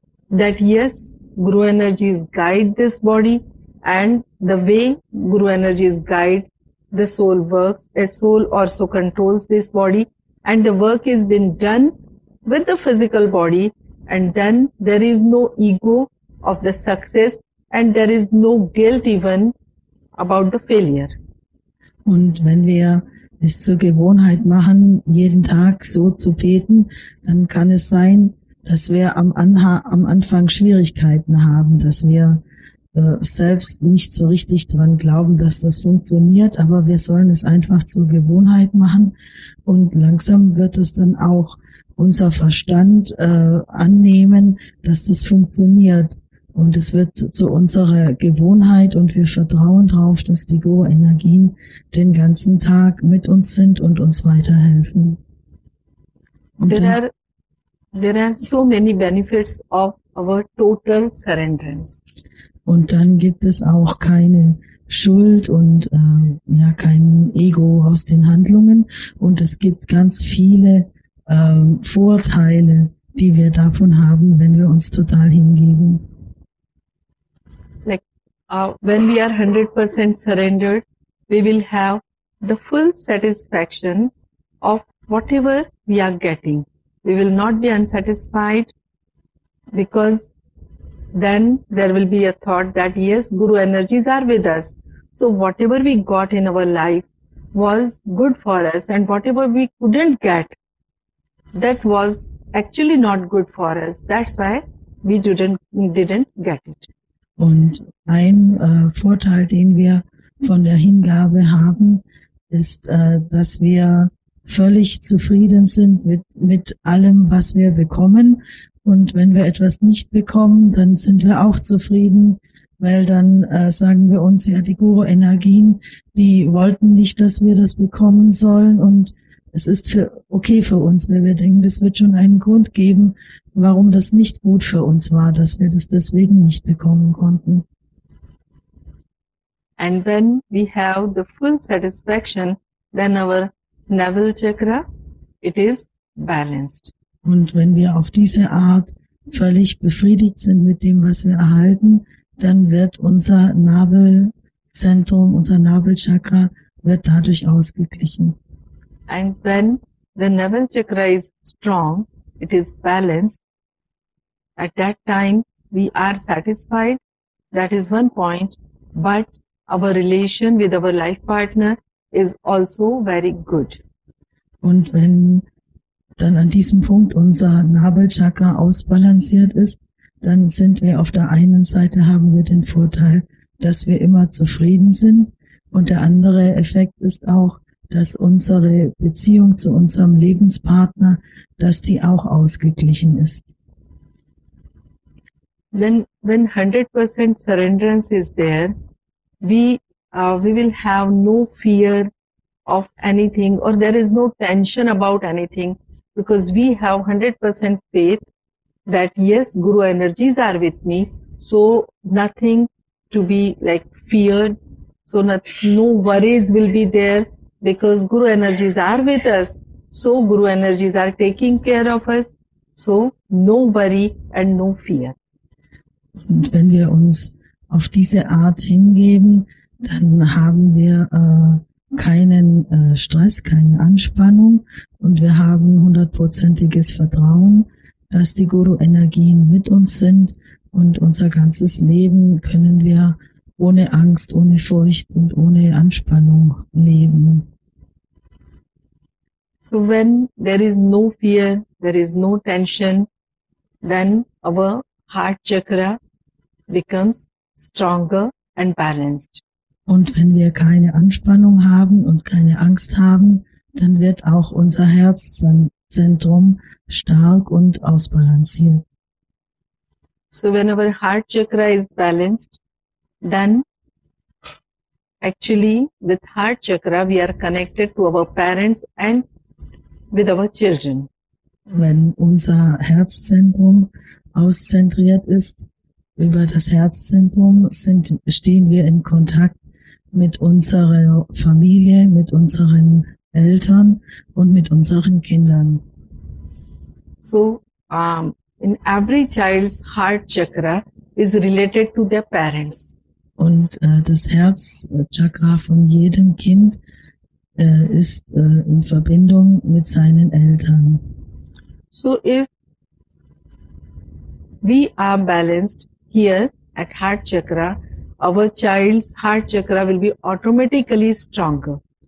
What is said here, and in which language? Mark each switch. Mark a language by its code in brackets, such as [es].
[en] that yes, Guru energies guide this body and the way Guru energies guide the soul works, a soul also controls this body and the work has been done with the physical body and then there is no ego of the success and there is no guilt even about the failure. [de] Und wenn wir es zur Gewohnheit machen, jeden Tag so zu beten, dann kann es sein, dass wir am Anfang Schwierigkeiten haben, dass wir selbst nicht so richtig dran glauben, dass das funktioniert, aber wir sollen es einfach zur Gewohnheit machen und langsam wird es dann auch unser Verstand annehmen, dass das funktioniert und es wird zu unserer Gewohnheit und wir vertrauen darauf, dass die Go-Energien den ganzen Tag mit uns sind und uns weiterhelfen. Und dann [en] There are so many benefits of our total surrenderance. [de] Gibt es auch keine Schuld und ja, kein Ego aus den Handlungen. Und es gibt ganz viele Vorteile, die wir davon haben, wenn wir uns total hingeben. [en] When we are 100% surrendered, we will have the full satisfaction of whatever we are getting. We will not be unsatisfied because then there will be a thought that yes, Guru energies are with us. So whatever we got in our life was good for us, and whatever we couldn't get, that was actually not good for us. That's why we didn't get it. [de] Und ein Vorteil, den wir von der Hingabe haben, ist, dass wir völlig zufrieden sind mit allem, was wir bekommen. Und wenn wir etwas nicht bekommen, dann sind wir auch zufrieden, weil dann sagen wir uns, ja, die Guru-Energien, die wollten nicht, dass wir das bekommen sollen. Und es ist für okay für uns, weil wir denken, das wird schon einen Grund geben, warum das nicht gut für uns war, dass wir das deswegen nicht bekommen konnten. [en] And when we have the full satisfaction, then our navel chakra, it is balanced. [de] Und wenn wir auf diese Art völlig befriedigt sind mit dem, was wir erhalten, dann wird unser Nabelzentrum, unser Nabelchakra, wird dadurch ausgeglichen. [en] And when the navel chakra is strong, it is balanced, at that time we are satisfied. That is one point, but our relation with our life partner is also very good. [de] Und wenn dann an diesem Punkt unser Nabelchakra ausbalanciert ist, dann sind wir auf der einen Seite haben wir den Vorteil, dass wir immer zufrieden sind. Und der andere Effekt ist auch, dass unsere Beziehung zu unserem Lebenspartner, dass die auch ausgeglichen ist. [en] Then when 100% surrenderance is there, we will have no fear of anything, or there is no tension about anything, because we have 100% faith that yes, Guru energies are with me, so nothing to be like feared, so no worries will be there, because Guru energies are with us, so Guru energies are taking care of us, so no worry and no fear. [de] Und wenn wir uns auf diese Art hingeben, dann haben wir keinen Stress, keine Anspannung und wir haben hundertprozentiges Vertrauen, dass die Guru-Energien mit uns sind und unser ganzes Leben können wir ohne Angst, ohne Furcht und ohne Anspannung leben. [en] So when there is no fear, there is no tension, then our heart chakra becomes stronger and balanced. [de] Und wenn wir keine Anspannung haben und keine Angst haben, dann wird auch unser Herzzentrum stark und ausbalanciert. [en] So when our heart chakra is balanced, then actually with heart chakra we are connected to our parents and with our children. [de] Wenn unser Herzzentrum auszentriert ist, über das Herzzentrum stehen wir in Kontakt mit unserer Familie, mit unseren Eltern und mit unseren Kindern. [en] So, in every child's heart chakra is related to their parents. [de] Und das Herzchakra von jedem Kind ist in Verbindung mit seinen Eltern. [en] So if we are balanced here at heart chakra, our child's heart chakra will be automatically stronger.